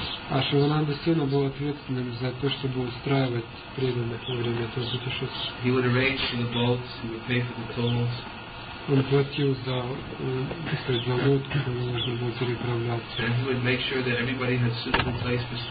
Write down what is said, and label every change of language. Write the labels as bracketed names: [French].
[Russian] А Шивананда Сена был ответственным за то, чтобы устраивать преданных во время этого путешествия. [English] He would arrange for the boats, he would pay for the tolls. [Russian] Он платил за, так сказать, за лодку, которую нужно было переправляться.